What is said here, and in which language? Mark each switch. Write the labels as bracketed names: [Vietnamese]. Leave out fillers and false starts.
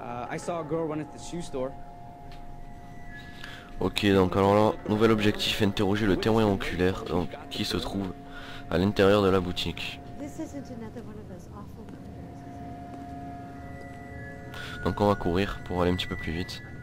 [English] I saw a girl run at the shoe store. [French] Ok, donc alors là, nouvel objectif, interroger le témoin oculaire donc, qui se trouve à l'intérieur de la boutique. [English] This isn't another one of those awful murders, is it? [French] Donc on va courir pour aller un petit peu plus vite.